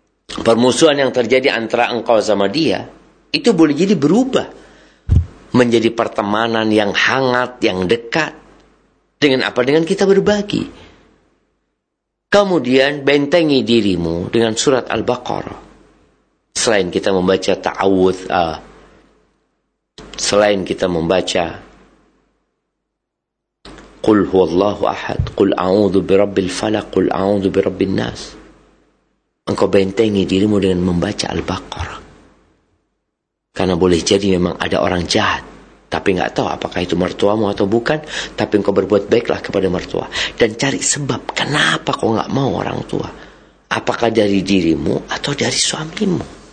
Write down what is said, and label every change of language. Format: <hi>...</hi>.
<id>Permusuhan yang terjadi antara engkau sama dia, itu boleh jadi berubah menjadi pertemanan yang hangat, yang dekat. Dengan apa? Dengan kita berbagi. Kemudian bentengi dirimu dengan surat Al-Baqarah. Selain kita membaca ta'awudz, selain kita membaca</id> <ar>قُلْ هُوَ اللَّهُ أَحَدْ قُلْ أَعُوذُ بِرَبِّ الْفَلَقْ قُلْ أَعُوذُ بِرَبِّ النَّاسِ.</ar> <id>Engkau bentengi dirimu dengan membaca Al-Baqarah. Karena boleh jadi memang ada orang jahat. Tapi gak tahu apakah itu mertuamu atau bukan. Tapi engkau berbuat baiklah kepada mertua. Dan cari sebab kenapa kau gak mau orang tua. Apakah dari dirimu atau dari suamimu.</id>